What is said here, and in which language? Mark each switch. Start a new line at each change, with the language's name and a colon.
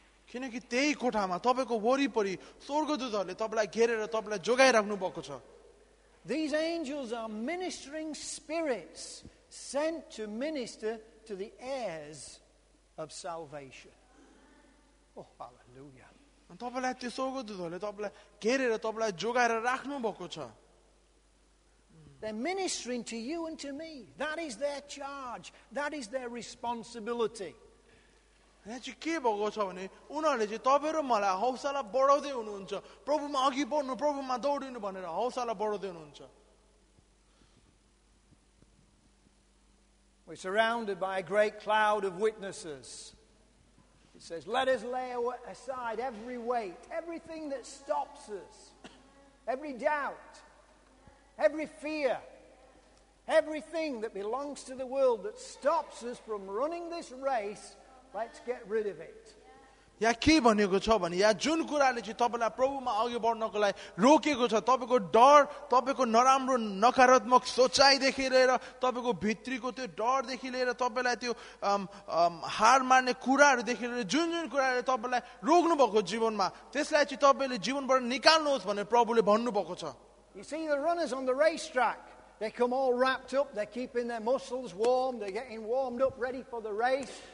Nepali: किनकि त्यही कोठामा तपाईँको वरिपरि स्वर्गदूतहरूले तपाईँलाई घेरेर तपाईँलाई जोगाइराख्नु भएको छ
English: These angels are ministering spirits sent to minister to the heirs of salvation. Oh hallelujah.
Nepali: अनि तपाईलाई त्यो स्वर्गदूतहरूले तपाईलाई घेरेर तपाईलाई जोगाएर राख्नु भएको छ.
English: They're ministering to you and to me. That is their charge. That is their responsibility.
Nepali: यहाँ के भएको छ भने उनीहरूले चाहिँ तपाईँ र मलाई हौसला बढाउँदै हुनुहुन्छ. प्रभुमा अघि बढ्नु प्रभुमा दौडिनु भनेर हौसला बढाउँदै हुनुहुन्छ.
English: We're surrounded by a great cloud of witnesses. It says, let us lay aside every weight, everything that stops us, every doubt, every fear, everything that belongs to the world that stops us from running this race, let's get rid of it.
Nepali: यहाँ के भनेको छ भने यहाँ जुन कुराले चाहिँ तपाईँलाई प्रभुमा अघि बढ्नको लागि रोकेको छ तपाईँको डर तपाईँको नराम्रो नकारात्मक सोचाइदेखि लिएर तपाईँको भित्रीको त्यो डरदेखि लिएर तपाईँलाई त्यो हार मार्ने कुराहरूदेखि लिएर जुन जुन कुराले तपाईँलाई रोक्नु भएको जीवनमा त्यसलाई चाहिँ तपाईँले जीवनबाट निकाल्नुहोस् भनेर प्रभुले भन्नुभएको छ
English: You see, the runners on the race track, they come all wrapped up, they're keeping their muscles warm, they're getting warmed up, ready for the race.